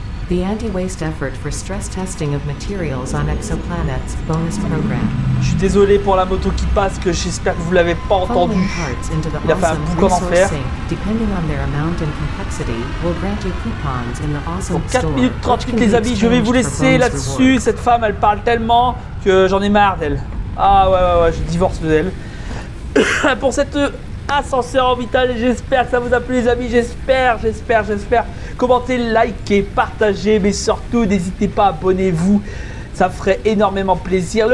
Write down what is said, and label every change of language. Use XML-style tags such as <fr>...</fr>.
<en>The anti-waste effort for stress testing of materials on exoplanets bonus program.</en> <fr>Je suis désolé pour la moto qui passe, que j'espère que vous l'avez pas entendu. Il a fait un boucan d'enfer.</fr> <en>Depending on their amount and complexity, we'll grant you coupons in the awesome store.</en> <fr>4 minutes 38 les amis, je vais vous laisser là-dessus. Cette femme, elle parle tellement que j'en ai marre d'elle. Ah ouais, je divorce d'elle. Pour cette ascenseur orbital, j'espère que ça vous a plu les amis, j'espère. Commentez, likez, partagez, mais surtout n'hésitez pas à abonner-vous, ça ferait énormément plaisir.</fr>